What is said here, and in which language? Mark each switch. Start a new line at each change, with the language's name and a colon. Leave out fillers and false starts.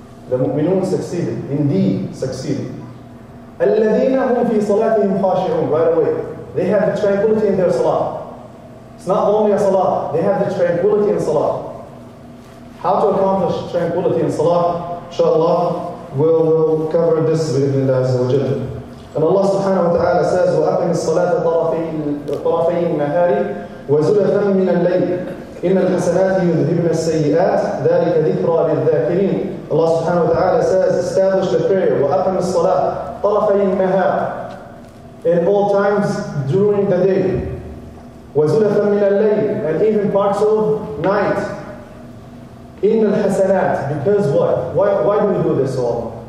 English: The Mu'minun succeeded, indeed succeeded.
Arabic: الَّذِينَ هُمْ فِي صَلَاتِهِمْ خَاشِعُونَ.
English: Right away, they have the tranquility in their salah. It's not only a salah, they have the tranquility in salah. How to accomplish tranquility in salah? Inshallah, we'll cover this with Allah Azza wa Jalla. And Allah subhanahu wa ta'ala says,
Arabic: وَأَقِمِ الصَّلَاةَ طَرَفَيِ النَّهَارِ وَزُلَفًا مِنَ اللَّيْلِ إِنَّ الْحَسَنَاتِ يُذْهِبْنَ السَّيِّئَاتِ ذَلِكَ ذِكْرَى لِلذَّاكِرِينَ.
English: Allah subhanahu wa ta'ala says, establish the prayer,
Arabic: وَأَقِمِ الصَّلَاةَ طَرَفَيِ النَّهَارِ,
English: in all times during the day.
Arabic: وَزُلَفًا مِنَ اللَّيْلِ,
English: and even parts of night. In al-hasanat, because what? Why do we do this all?